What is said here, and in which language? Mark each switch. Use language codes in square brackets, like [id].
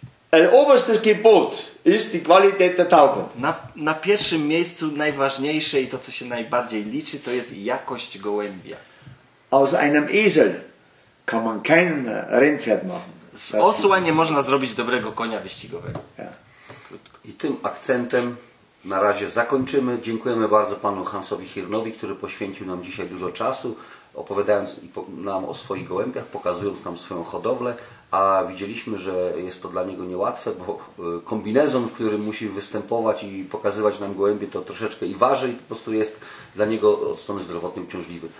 [de] El oberstes Gebot ist die Qualität der Tauben. [pl] Na pierwszym miejscu najważniejsze i to, co się najbardziej liczy, to jest jakość gołębia. [de] Aus einem Esel kann man kein Rennpferd machen. [pl] Z osła nie można zrobić dobrego konia wyścigowego. I tym akcentem na razie zakończymy. Dziękujemy bardzo panu Hansowi Hirnowi, który poświęcił nam dzisiaj dużo czasu, opowiadając nam o swoich gołębiach, pokazując nam swoją hodowlę, a widzieliśmy, że jest to dla niego niełatwe, bo kombinezon, w którym musi występować i pokazywać nam gołębie, to troszeczkę i waży i po prostu jest dla niego od strony zdrowotnej uciążliwy.